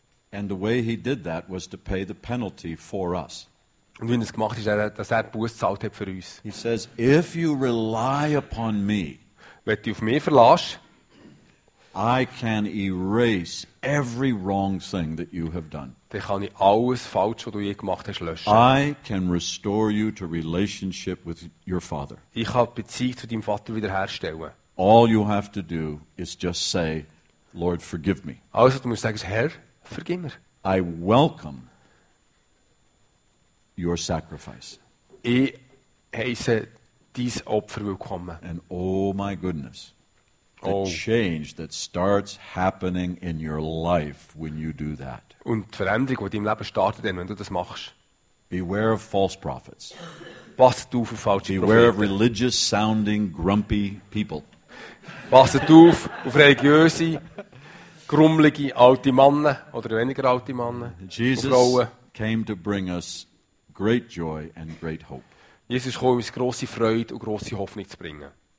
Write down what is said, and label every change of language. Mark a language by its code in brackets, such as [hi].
[en] And the way he did that was to pay the penalty for us. [de] Und wenn es gemacht ist, dass er Buß gezahlt hat für uns. [en] He says, if you rely upon me, [de] wenn du auf mich verlässt, [en] I can erase every wrong thing that you have done. [de] Dann kann ich alles falsch, was du je gemacht hast, löschen. [en] I can restore you to relationship with your father. [de] Ich kann die Beziehung zu deinem Vater wiederherstellen. [en] All you have to do is just say, Lord, forgive me. [de] Alles, was du musst sagen, ist, Herr, vergib mir. [en] I welcome your sacrifice. [de] Ich heiße dies Opfer willkommen. [en] And oh my goodness, the change that starts happening in your life when you do that. [de] Und die Veränderung, die im Leben startet, wenn du das machst. [en] Beware of false prophets. [de] Passt du auf falsche Propheten. [en] Beware of religious sounding grumpy people. [de] Passt du auf religiöse, grummelige alte Männer oder weniger alte Männer. [en] Jesus came to bring us great joy and great hope. [de] Jesus kommt, um uns grosse Freude und grosse Hoffnung zu bringen.